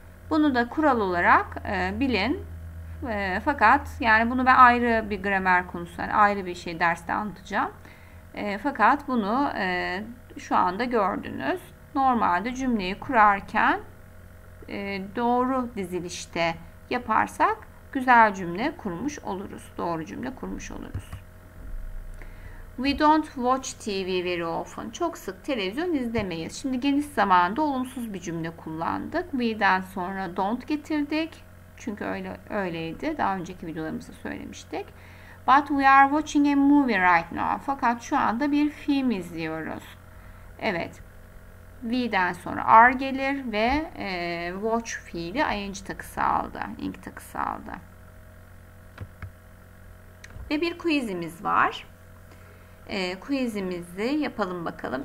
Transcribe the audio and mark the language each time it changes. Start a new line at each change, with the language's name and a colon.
Turkish: Bunu da kural olarak bilin. Fakat yani bunu ben ayrı bir gramer konusu, yani ayrı bir şey derste anlatacağım. Fakat bunu şu anda gördünüz. Normalde cümleyi kurarken doğru dizilişte yaparsak güzel cümle kurmuş oluruz. Doğru cümle kurmuş oluruz.
English: We don't watch TV very often.
Turkish: Çok sık televizyon izlemeyiz. Şimdi geniş zamanda olumsuz bir cümle kullandık. We'den sonra don't getirdik. Çünkü öyleydi. Daha önceki videolarımızda söylemiştik.
English: But we are watching a movie right now.
Turkish: Fakat şu anda bir film izliyoruz. Evet. We'den sonra are gelir ve watch fiili ing takısı aldı. Ing takısı aldı. Ve bir quizimiz var. Quizimizi yapalım bakalım.